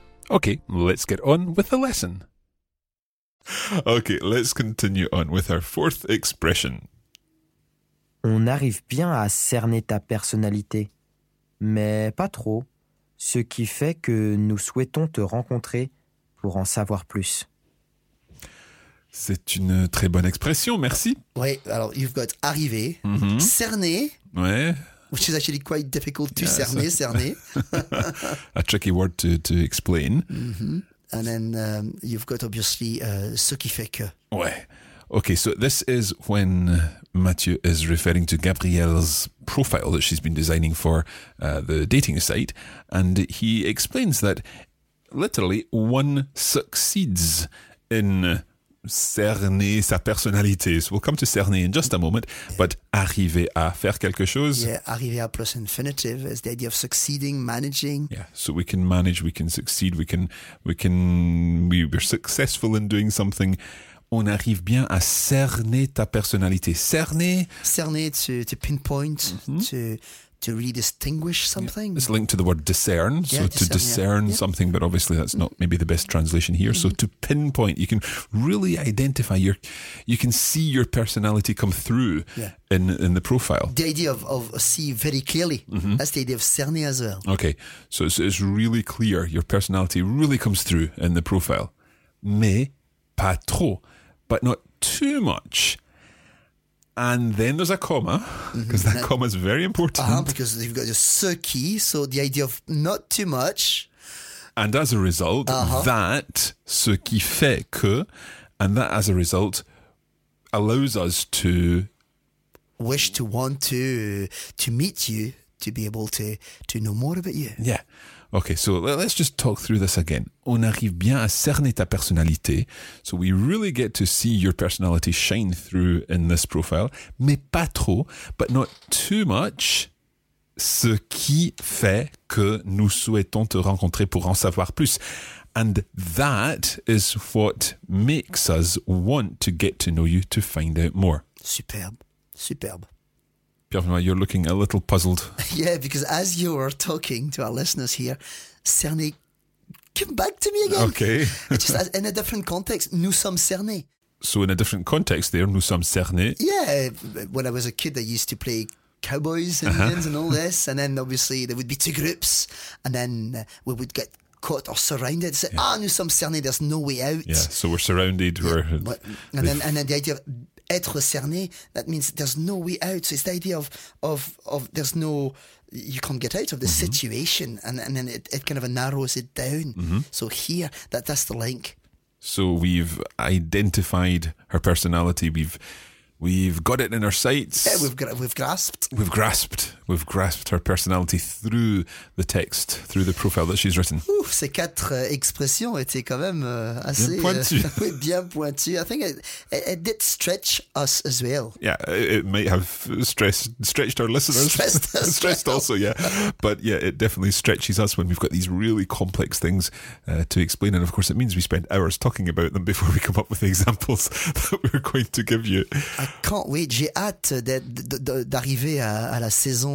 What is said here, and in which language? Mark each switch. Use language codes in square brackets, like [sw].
[en] Okay, let's get on with the lesson. Okay, let's continue on with our fourth expression. [fr] On arrive bien à cerner ta personnalité, mais pas trop, ce qui fait que nous souhaitons te rencontrer pour en savoir plus. C'est une très bonne expression, merci. Oui, alors [en] you've got arrivé, cerner. [fr] Ouais. [en] Which is actually quite difficult to cerner. A tricky word to explain. Mm-hmm. And then you've got obviously ce qui fait que. [fr] Ouais. [en] Okay, so this is when Mathieu is referring to Gabrielle's profile that she's been designing for the dating site. And he explains that literally one succeeds in cerner sa personnalité. So we'll come to cerner in just a moment, but arriver à faire quelque chose. Yeah, arriver à plus infinitive is the idea of succeeding, managing. Yeah, so we can manage, we can succeed, we're successful in doing something. [fr] On arrive bien à cerner ta personnalité. Cerner. [en] Cerner, to pinpoint, mm-hmm. to to really distinguish something. It's linked to the word discern. Yeah, so discern, to discern something, but obviously that's not maybe the best translation here. Mm-hmm. So to pinpoint, you can really identify your, you can see your personality come through in the profile. The idea of see very clearly. Mm-hmm. That's the idea of cerner as well. Okay. So it's really clear. Your personality really comes through in the profile. [fr] Mais pas trop, [en] but not too much. And then there's a comma, because that comma is very important. Because you've got your ce qui, so the idea of not too much. And as a result, that, ce qui fait que, and that as a result allows us to... wish to want to meet you, to be able to know more about you. Yeah. Okay, so let's just talk through this again. [fr] On arrive bien à cerner ta personnalité. [en] So we really get to see your personality shine through in this profile. [fr] Mais pas trop, [en] but not too much. [fr] Ce qui fait que nous souhaitons te rencontrer pour en savoir plus. [en] And that is what makes us want to get to know you, to find out more. [fr] Superbe, superbe. [en] You're looking a little puzzled. Yeah, because as you were talking to our listeners here, cerner came back to me again. Okay. Just in a different context, [fr] nous sommes cernés. [en] So in a different context there, [fr] nous sommes cernés. [en] Yeah, when I was a kid, I used to play cowboys and Indians and all this. And then obviously there would be two groups and then we would get caught or surrounded. Say, [fr] nous sommes cernés, [en] there's no way out. Yeah, so we're surrounded. And then the idea of... être cerné, that means there's no way out. So it's the idea of there's no, you can't get out of the situation. And then it kind of narrows it down. Mm-hmm. So here, that's the link. So we've identified her personality. We've got it in our sights. Yeah, we've grasped. We've grasped. We've grasped her personality through the text, through the profile that she's written. [fr] Ouh, ces quatre expressions étaient quand même assez... bien pointues. bien pointues. [en] I think it did stretch us as well. Yeah, it might have stretched our listeners. Stressed us. Stressed well. Also, yeah. But yeah, it definitely stretches us when we've got these really complex things to explain. And of course, it means we spend hours talking about them before we come up with the examples that we're going to give you. I can't wait. [fr] J'ai hâte d'arriver à la saison.